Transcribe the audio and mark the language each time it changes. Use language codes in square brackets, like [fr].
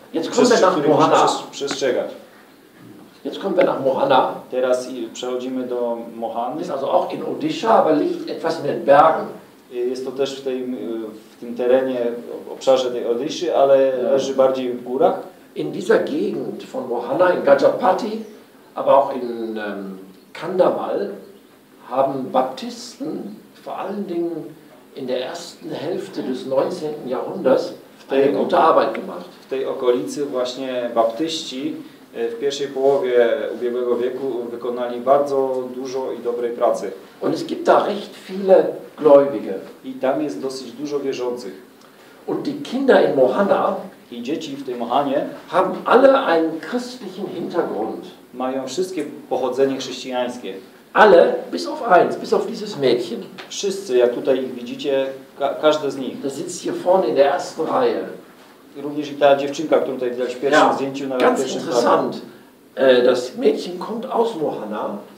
[de] Jetzt kommen wir nach Mohana. [pl] Przestrzegać. [de] Jetzt kommen wir nach Mohana. [pl] Teraz przechodzimy do Mohany. [de] Ist also auch in Odisha, aber liegt etwas in den Bergen. [pl] Jest to też w tym terenie, w obszarze tej Odiszy, ale leży bardziej w górach. [de] In dieser Gegend von Mohana, in Gajapati, aber auch in Kandawal, haben Baptisten vor allen Dingen in der ersten Hälfte des 19. Jahrhunderts eine gute Arbeit gemacht. [pl] W tej okolicy właśnie Baptyści w pierwszej połowie ubiegłego wieku wykonali bardzo dużo i dobrej pracy. [de] Und es gibt da recht viele Gläubige. [pl] I tam jest dosyć dużo wierzących. [de] Und die Kinder in Mohana, [pl] i dzieci w tej Mohanie, [de] haben alle einen christlichen Hintergrund. [pl] Mają wszystkie pochodzenie chrześcijańskie. [de] Alle, bis auf eins, bis auf dieses Mädchen. [pl] Wszyscy, jak tutaj ich widzicie, każde z nich. [de] Das sitzt hier vorne in der ersten Reihe. [pl] Również i ta dziewczynka, którą tutaj widać w pierwszym zdjęciu, [de] nawet ganz interessant. Das Mädchen kommt aus Mohana.